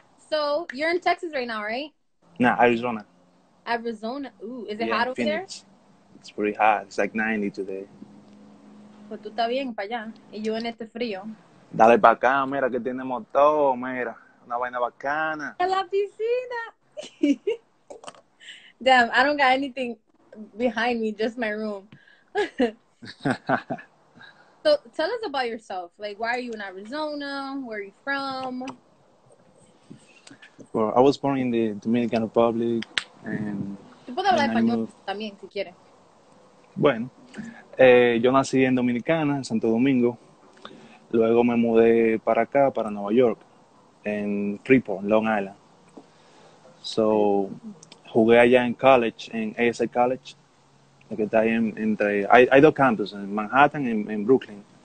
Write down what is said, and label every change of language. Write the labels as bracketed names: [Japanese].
[English] So, you're in Texas right now, right? Nah, Arizona. Arizona? Ooh, is it hot over there? It's pretty hot. It's like 90 today. [Spanish] Pues tú estás bien para allá. Y yo en este frío. Dale para acá, mira que tenemos todo, mira. Una vaina bacana. A la piscina. [English] Damn, I don't got anything behind me, just my room. So tell us about yourself. Like, why are you in Arizona? Where are you from? Well, I was born in the Dominican Republic, and [Spanish] ¿tú puedes hablar español también si quieres? Bueno, yo nací en Dominicana, en Santo Domingo. Luego me mudé para acá, para Nueva York, en Freeport, Long Island. So jugué allá en college, en ASA College, que está ahí entre, hay dos campus, en Manhattan y en Brooklyn.